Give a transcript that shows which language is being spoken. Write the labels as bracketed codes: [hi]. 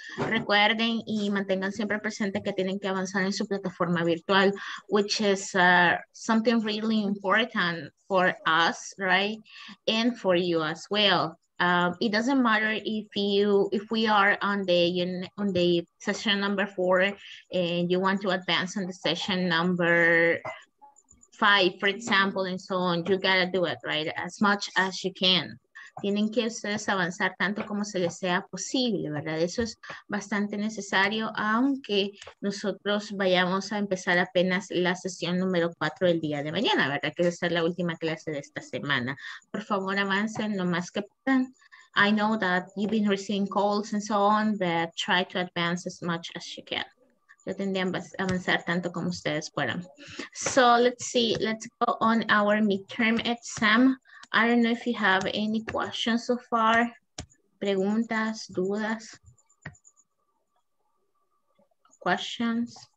[es] Recuerden y mantengan siempre presente que tienen que avanzar en su plataforma virtual, [en] which is something really important for us, right, and for you as well. It doesn't matter if we are on the session number 4 and you want to advance on the session number 5, for example, and so on. You gotta do it, right, as much as you can. [es] Tienen que ustedes avanzar tanto como se les sea posible, ¿verdad? Eso es bastante necesario, aunque nosotros vayamos a empezar apenas la sesión número 4 del día de mañana, ¿verdad? Que esa es la última clase de esta semana. Por favor, avancen lo más que puedan. [en] I know that you've been receiving calls and so on, but try to advance as much as you can. [es] Yo tendría que avanzar tanto como ustedes puedan. [en] So, let's see. Let's go on our midterm exam. I don't know if you have any questions so far, [es] preguntas, dudas, [en] questions.